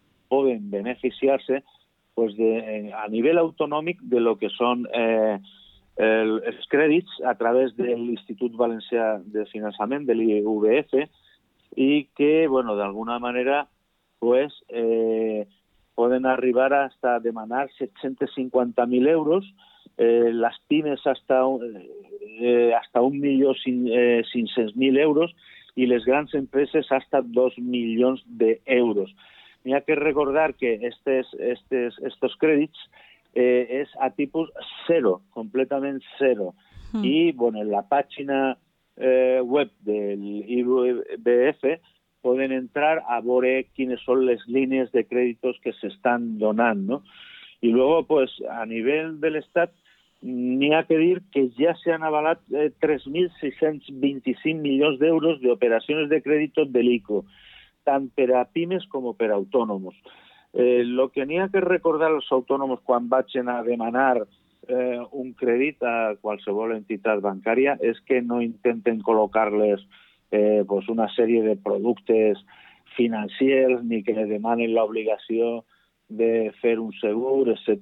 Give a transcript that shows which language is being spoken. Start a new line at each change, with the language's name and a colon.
Catalan: poden beneficiar-se pues, a nivell autonòmic de lo que són els crèdits a través de l'Institut Valencià de Finançament, de l'IVF, i que, bueno, d'alguna manera, pues, poden arribar hasta demanar 750.000 euros, les pimes hasta 1.500.000 euros i les grans empreses hasta 2 milions d'euros. N'hi ha que recordar que estos crèdits és a tipus zero, completament zero. I bueno, en la pàgina
Spanish: web del IBF pueden entrar a ver quiénes son las líneas de créditos que se están donando. Y luego, pues, a nivel del Estado,
Catalan: ni a que dir que ja s'han avalat 3.625 milions d'euros d'operacions de crèdit de l'ICO, tant per a pimes com per a autònoms. El que n'hi ha que recordar als autònoms quan vagin a demanar un crèdit a qualsevol entitat bancària és que no intenten col·locar-les pues una sèrie de productes financers ni que demanin l'obligació de fer un segur, etc.